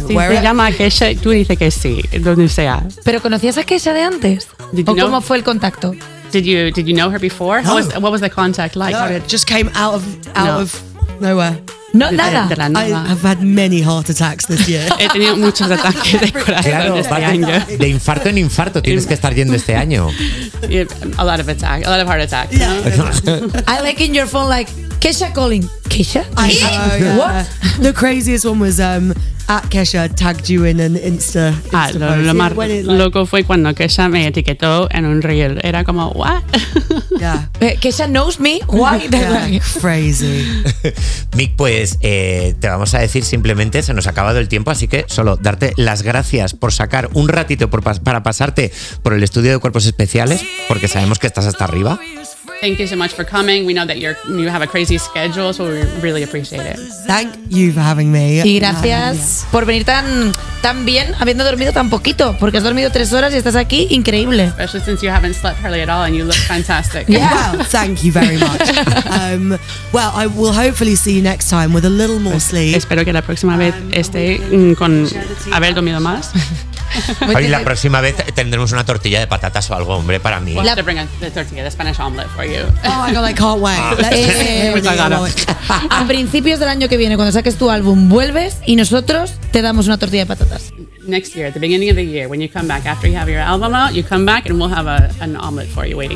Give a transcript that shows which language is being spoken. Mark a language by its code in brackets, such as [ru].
[es] Sí, se llama Kesha, tú dices que sí, donde sea. ¿Pero conocías a Kesha de antes? ¿Cómo fue el contacto? [en] Did you know her before? No. What was the contact like? No, it just came out of nowhere. [es] No, nada. [en] I've had many heart attacks this year. [es] He tenido muchos ataques de corazón este año. De infarto en infarto tienes que estar yendo este año. [en] A lot of attacks, a lot of heart attacks. Yeah. I like in your phone like Kesha calling. Kesha? I know, yeah. What? The craziest one was at Kesha tagged you in an Insta. [es] Ah, lo más loco fue cuando Kesha me etiquetó en un reel. Era como, what? [en] Yeah. Kesha knows me. Why? Yeah, crazy. [es] Mick, pues te vamos a decir simplemente, se nos ha acabado el tiempo, así que solo darte las gracias por sacar un ratito para pasarte por el estudio de Cuerpos Especiales, porque sabemos que estás hasta arriba. [en] Thank you so much for coming. We know that you have a crazy schedule, so we really appreciate it. Thank you for having me. [es] Y gracias por venir tan bien, habiendo dormido tan poquito, porque has dormido 3 horas y estás aquí, increíble. [en] Especially since you haven't slept hardly at all and you look fantastic. Yeah, well, thank you very much. Well, I will hopefully see you next time with a little more sleep. [es] Espero que la próxima vez esté con haber dormido más. Y la próxima vez tendremos una tortilla de patatas o algo, hombre, para mí. [en] We'll have to bring the tortilla, the Spanish omelette for you. Oh my god, I can't wait. [es] A principios del año que viene, cuando saques tu álbum, vuelves y nosotros te damos una tortilla de patatas. [en] Next year, at the beginning of the year, when you come back after you have your album out, you come back and we'll have an omelette for you waiting.